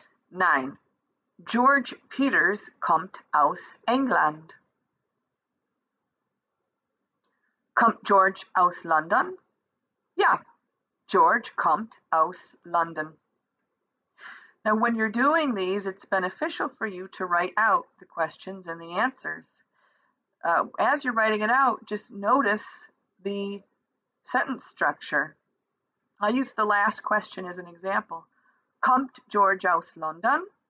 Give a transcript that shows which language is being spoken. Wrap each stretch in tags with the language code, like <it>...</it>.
<de>Nein, George Peters kommt aus England. Kommt George aus London? Ja, George kommt aus London.</de> <en>Now, when you're doing these, it's beneficial for you to write out the questions and the answers. As you're writing it out, just notice the sentence structure. I'll use the last question as an example.</en> <de>Kommt George aus London?</de>